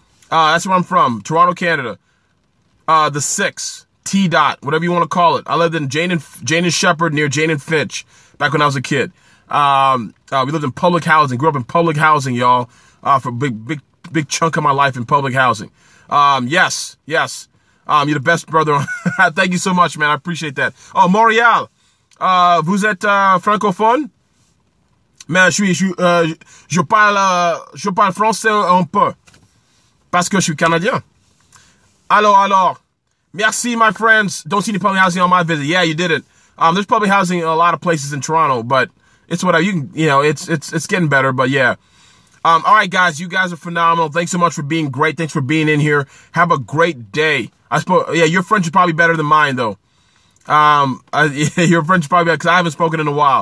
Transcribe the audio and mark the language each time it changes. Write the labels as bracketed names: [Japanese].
[English] That's where I'm from, Toronto, Canada. The 6, T-Dot, whatever you want to call it. I lived in Jane and Shepherd near Jane and Finch back when I was a kid. We lived in public housing, grew up in public housing, y'all, for a big chunk of my life in public housing. Yes. You're the best brother. Thank you so much, man. I appreciate that. [French] Oh, Montreal. Vous êtes francophone? Mais je parle français un peu. Parce que je suis Canadien. Alors. Merci, [English] my friends. Don't see any public housing on my visit. Yeah, you did it. There's public housing in a lot of places in Toronto, but it's whatever. It's getting better, but yeah. All right, guys. You guys are phenomenal. Thanks so much for being great. Thanks for being in here. Have a great day. Your French is probably better than mine, though. Your French is probably better, because I haven't spoken in a while.